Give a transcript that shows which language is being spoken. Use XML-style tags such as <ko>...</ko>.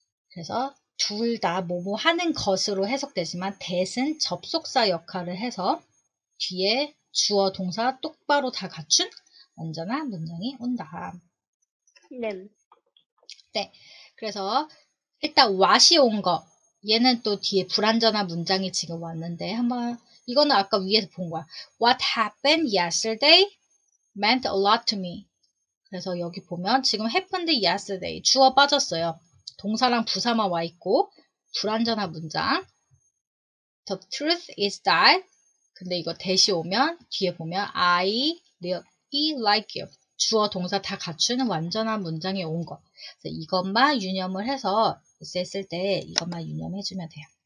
<ko>그래서 둘다 뭐뭐 하는 것으로 해석되지만 that은 접속사 역할을 해서 뒤에 주어 동사 똑바로 다 갖춘 완전한 문장이 온다. 네. 네, 그래서 일단 what이 온거 얘는 또 뒤에 불완전한 문장이 지금 왔는데 한번 이거는 아까 위에서 본 거야.</ko> <en>What happened yesterday meant a lot to me.</en> <ko>그래서 여기 보면 지금</ko> <en>happened yesterday</en> <ko>주어 빠졌어요. 동사랑 부사만 와 있고 불완전한 문장.</ko> <en>The truth is that</en> <ko>근데 이거 대시 오면 뒤에 보면</ko> <en>I really like you.</en> <ko>주어 동사 다 갖추는 완전한 문장이 온 거. 그래서 이것만 유념을 해서 했을 때 이것만 유념해주면 돼요.</ko>